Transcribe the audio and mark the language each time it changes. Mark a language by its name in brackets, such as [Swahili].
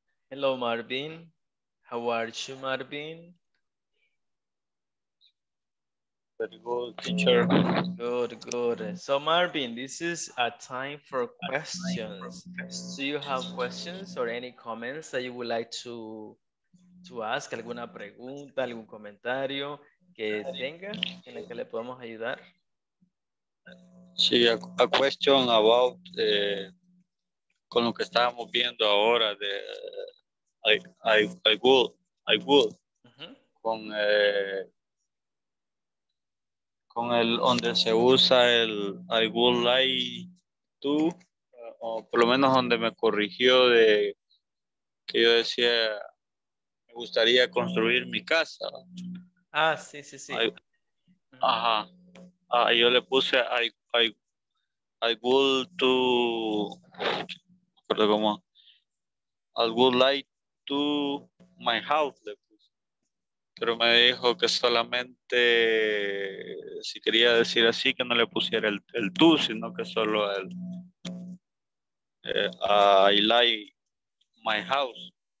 [English] Hello, Marvin. How are you, Marvin? Very good, teacher. Good, good. So, Marvin, this is a time for questions. Do you have questions or any comments that you would like to ask? [Spanish] ¿Alguna pregunta, algún comentario que tenga en el que le podemos ayudar? Sí, [English] a question about [Spanish] con lo que estábamos viendo ahora de I would con con el donde se usa el I would like to o por lo menos donde me corrigió de que yo decía me gustaría construir mi casa. Ah, sí, sí, sí. Yo le puse I would to perdón, ¿cómo? [English] I would like to my house [Spanish] le puse. Pero me dijo que solamente si quería decir así que no le pusiera el tú sino que solo el [English] I like my house.